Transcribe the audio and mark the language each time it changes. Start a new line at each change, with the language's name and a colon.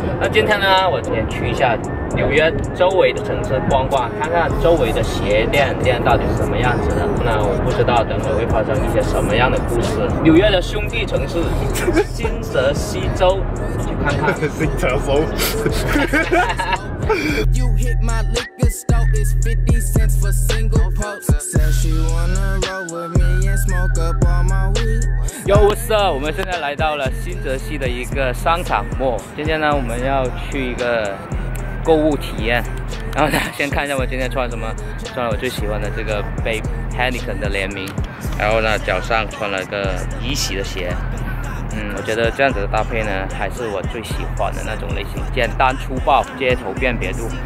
Chinese: 那今天呢我也去一下纽约周围的城市逛逛，看看周围的鞋店到底是什么样子的。那我不知道等会会发生一些什么样的故事。纽约的兄弟城市新泽西州，去看看新泽州。
English: You hit my liquor store, it's 50 cents for single pops. Said she wanna roll with me and smoke up all my weed. Yo, what's up?
Chinese: 我们现在来到了新泽西的一个商场 mall。今天呢我们要去一个购物体验，然后呢先看一下我今天穿什么。穿了我最喜欢的这个 Babe Henneken 的联名，然后呢脚上穿了个怡喜的鞋。我觉得这样子的搭配呢还是我最喜欢的那种类型，简单粗暴，街头辨别度。